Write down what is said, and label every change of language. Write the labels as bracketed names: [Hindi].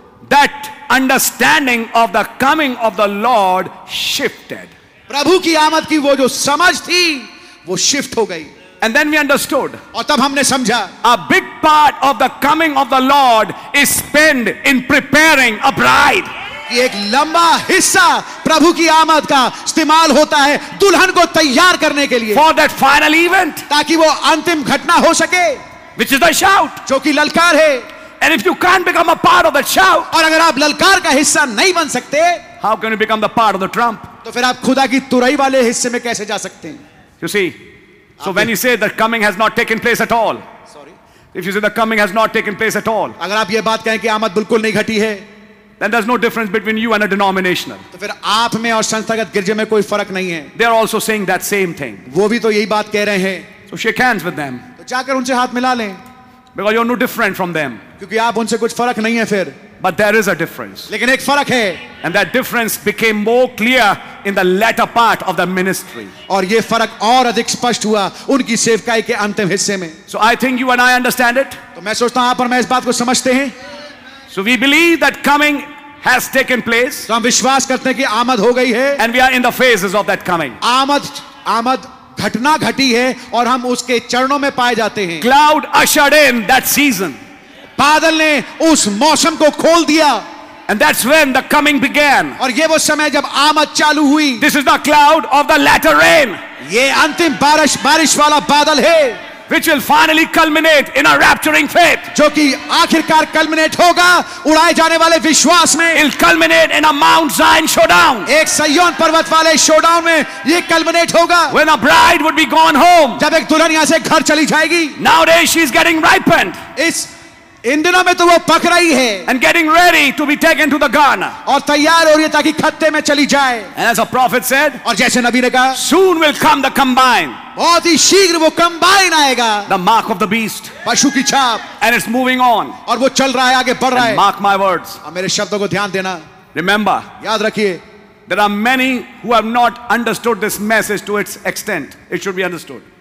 [English] that understanding of the coming of the Lord shifted. [Hindi] प्रभु की आमद की वो जो समझ थी वो शिफ्ट हो गई. [English] And then we understood. [Hindi] और तब हमने समझा. [English] A big part of the coming of the Lord is spent in preparing a bride. [Hindi] कि एक लंबा हिस्सा प्रभु की आमद का इस्तेमाल होता है दुल्हन को तैयार करने के लिए. [English] For that final event. [Hindi] ताकि वो अंतिम घटना हो सके. [English] Which is the shout. [Hindi] जो कि ललकार है. [English] And if you can't become a part of that shout. [Hindi] और अगर आप ललकार का हिस्सा नहीं बन सकते. [English] How can you become the part of the trump? [Hindi] तो फिर आप खुदा की तुरही वाले हिस्से में कैसे जा सकते हैं? [English] You see, so when you say the coming has not taken place at all, sorry, if you say the coming has not taken place at all, [Hindi] अगर आप ये बात कहें कि आमद बिल्कुल नहीं घटी है, [English] then there's no difference between you and a denominational. [Hindi] तो फिर आप में और संस्थागत गिरजे में कोई फर्क नहीं है. [English] They are also saying that same thing. [Hindi] वो भी तो यही बात कह रहे हैं. [English] So shake hands with them. [Hindi] तो जाकर उनसे हाथ मिला लें. [English] Because you're no different from them. [Hindi] क्योंकि आप उनसे कुछ फर्क नहीं है फिर. [English] But there is a difference. [Hindi] लेकिन एक फर्क है. [English] And that difference became more clear in the latter part of the ministry. [Hindi] और ये फर्क और अधिक स्पष्ट हुआ उनकी सेवकाई के अंतिम हिस्से में. [English] So I think you and I understand it. [Hindi] तो मैं सोचता हूँ आप और मैं इस बात को समझते हैं. [English] So we believe that coming has taken place. [Hindi] तो हम विश्वास करते हैं कि आमद हो गई है. [English] And we are in the phases of that coming. [Hindi] आमद घटना घटी है और हम उसके चरणों में पाए जाते हैं. [English] Cloud ushered in that season. [Hindi] बादल ने उस मौसम को खोल दिया. [English] And that's when the coming began. [Hindi] और ये वो समय जब आमद चालू हुई. [English] This is the cloud of the latter rain. [Hindi] ये अंतिम बारिश वाला बादल है. [English] Which will finally culminate in a rapturing faith. [Hindi] जो कि आखिरकार culminate होगा उड़ाए जाने वाले विश्वास में. [English] It'll culminate in a Mount Zion showdown. [Hindi] एक सायोन पर्वत वाले showdown में ये culminate होगा. [English] When a bride would be gone home. [Hindi] जब एक दुल्हन यहाँ से घर चली जाएगी. [English] Nowadays she's getting ripened. [Hindi] इन दिनों में तो वो पक रही है. [English] And getting ready to be taken to the garner. [Hindi] और तैयार हो रही है ताकि खत्ते में चली जाए. [English] And as a prophet said. [Hindi] और जैसे नबी ने कहा. [English] Soon will come the combine. [Hindi] बहुत ही शीघ्र वो कंबाइन आएगा. [English] The mark of the beast. [Hindi] पशु की छाप. [English] And it's moving on. [Hindi] और वो चल रहा है आगे बढ़ रहा है. [English] Mark my words. [Hindi] और मेरे शब्दों को ध्यान देना. [English] Remember. [Hindi] याद रखिए. [English] There are many who have not understood this message to its extent. It should be understood.